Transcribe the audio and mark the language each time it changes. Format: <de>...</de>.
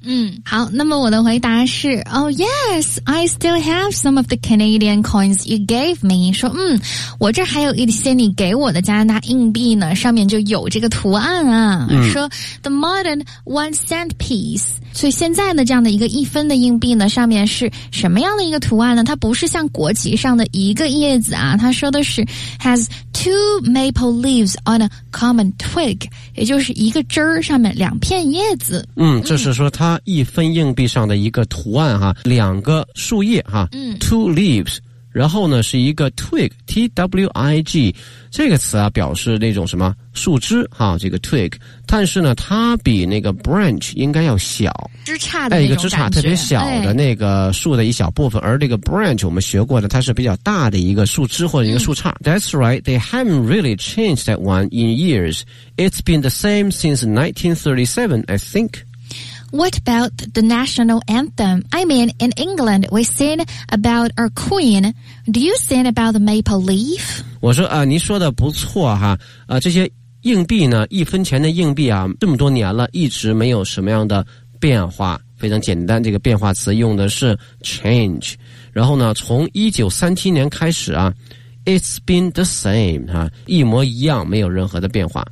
<zh>嗯，好，那么我的回答是</zh> <en>，Oh yes, I still have some of the Canadian coins you gave me。</en> <zh>说，嗯，我这还有一些你给我的加拿大硬币呢，上面就有这个图案啊。嗯、说 ，</zh> <en>the modern 1 cent piece。</en> <zh>所以现在呢，这样的一个一分的硬币呢，上面是什么样的一个图案呢？它不是像国旗上的一个叶子啊，它说的是</zh> <en>has two maple leaves on a common twig，</en> <zh>也就是一个枝儿上面两片叶子。嗯，这是说它一分硬币上的一个图案哈，两个树叶哈，嗯，</zh> <en>two leaves，</en> <zh>然后呢是一个 twig，t w i g， 这个词啊表示那种什么？树枝哈，这个 twig， 但是呢，它比那个 branch 应该要小，枝杈的那种感觉，一个枝杈特别小的那个树的一小部分，哎、而这个 branch 我们学过的，它是比较大的一个树枝或者一个树杈。</zh> <en>嗯、That's right, they haven't really changed that one in years. It's been the same since 1937, I think. What about the national anthem? I mean, in England, we sing about our queen. Do you sing about the maple leaf?</en> <zh>我说啊，您说的不错哈。这些硬币呢，一分钱的硬币啊，这么多年了，一直没有什么样的变化。非常简单，这个变化词用的是 change。然后呢，从1937年开始啊。</zh> <en>It's been the same,</en> <zh>哈，一模一样，没有任何的变化。</zh>